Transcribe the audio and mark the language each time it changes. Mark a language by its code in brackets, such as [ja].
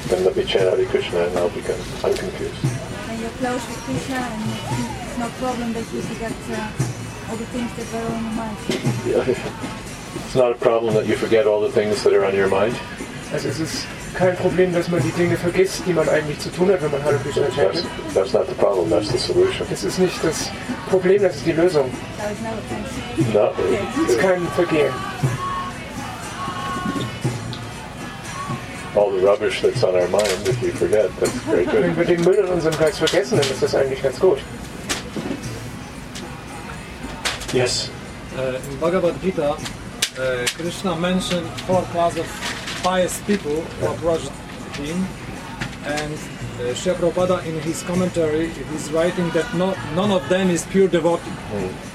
[en] Then let me chant Hare Krishna, and I'll become unconfused. And you're close with Krishna, and it's no problem that you forget all the things that were on your mind. Yeah, it's not a problem that you forget all the things that are on your mind. [de] Also, es ist kein Problem, dass man die Dinge vergisst, die man eigentlich zu tun hat, wenn man Hare Krishna chantet. [en] That's not the problem. That's the solution. [de] Es ist nicht das Problem. Das ist die Lösung. [en] No, [de] it's kein Vergehen. [en] All the rubbish that's on our mind, if we forget, that's very good. [de] Wenn wir den Müll in unserem Geist vergessen, dann ist das eigentlich ganz gut. [en] Yes? In Bhagavad Gita, Krishna mentioned four class of pious people who approached him, and Shri Prabhupada, in his commentary, is writing that none of them is pure devotee. Mm.